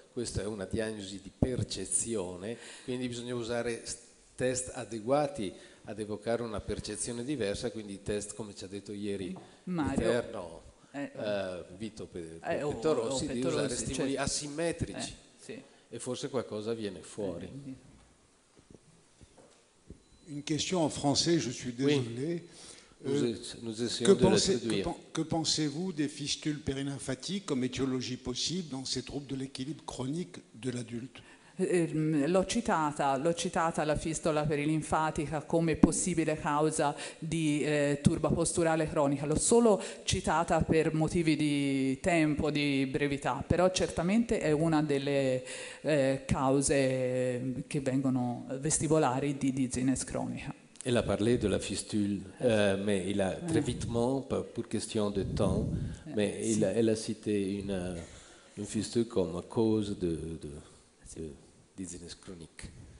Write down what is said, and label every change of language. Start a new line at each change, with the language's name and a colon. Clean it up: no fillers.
Italian: Questa è una diagnosi di percezione, quindi bisogna usare test adeguati ad evocare una percezione diversa, quindi test, come ci ha detto ieri Mario, Eterno, Vito Pettorossi, di usare stimoli, cioè, asimmetrici, sì. E forse qualcosa viene fuori.
French: Une question en français, je suis désolé. Que pensez-vous des fistules périnymphatiques comme étiologie possible dans ces troubles de l'équilibre chronique de l'adulte?
Italian: L'ho citata la fistola perilinfatica come possibile causa di turba posturale cronica, l'ho solo citata per motivi di tempo, di brevità, però certamente è una delle cause che vengono vestibolari di dizziness cronica.
French: Elle a parlé de la fistule, mais il a très vitement, pour question de temps, mais elle a cité une fistule comme cause de dizziness chronique.